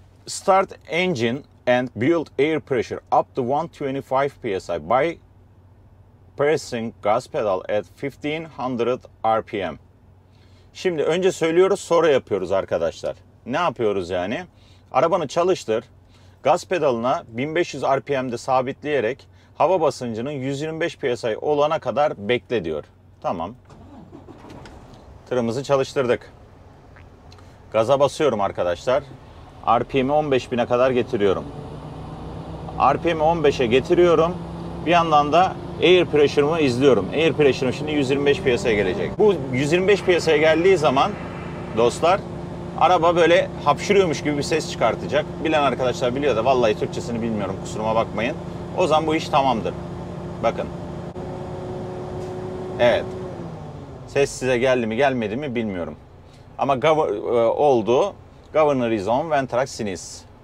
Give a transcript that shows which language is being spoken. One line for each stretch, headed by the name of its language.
English: Start engine and build air pressure up to 125 psi by pressing gas pedal at 1500 rpm.
Turkish: Şimdi önce söylüyoruz, sonra yapıyoruz arkadaşlar. Ne yapıyoruz yani? Arabanı çalıştır, gaz pedalına 1500 rpm'de sabitleyerek hava basıncının 125 psi olana kadar bekle diyor. Tamam. Tırımızı çalıştırdık. Gaza basıyorum arkadaşlar. RPM'i 15.000'e kadar getiriyorum. RPM'i 15'e getiriyorum. Bir yandan da air pressure'ımı izliyorum. Air pressure'ım şimdi 125 PSI'ye gelecek. Bu 125 PSI'ye geldiği zaman dostlar, araba böyle hapşırıyormuş gibi bir ses çıkartacak. Bilen arkadaşlar biliyor da vallahi Türkçesini bilmiyorum, kusuruma bakmayın. O zaman bu iş tamamdır. Bakın. Evet. Ses size geldi mi gelmedi mi bilmiyorum. Ama oldu.
English: Governor is on, Ventrax sinis.